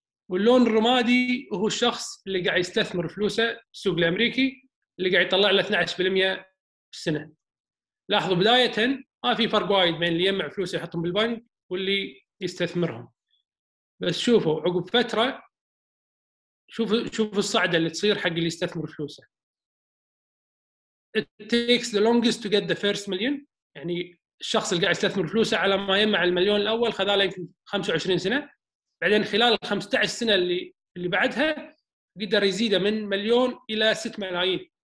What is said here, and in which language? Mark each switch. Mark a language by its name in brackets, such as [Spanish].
[Arabic] واللون الرمادي هو الشخص اللي قاعد يستثمر فلوسه بالسوق الأمريكي اللي قاعد يطلع له 12% في السنة. لاحظوا بداية ما في فرق وايد بين اللي يجمع فلوس يحطهم بالبنك واللي يستثمرهم، بس شوفوا عقب فترة، شوفوا الصعدة اللي تصير حق اللي يستثمر فلوسه. [English] It takes the longest to get the first million. [Arabic] يعني الشخص اللي قاعد يستثمر فلوسه على ما يجمع المليون الأول خذ له 25 سنة، بعدين خلال 15 سنة اللي بعدها قدر يزيده من مليون إلى 6 ملايين.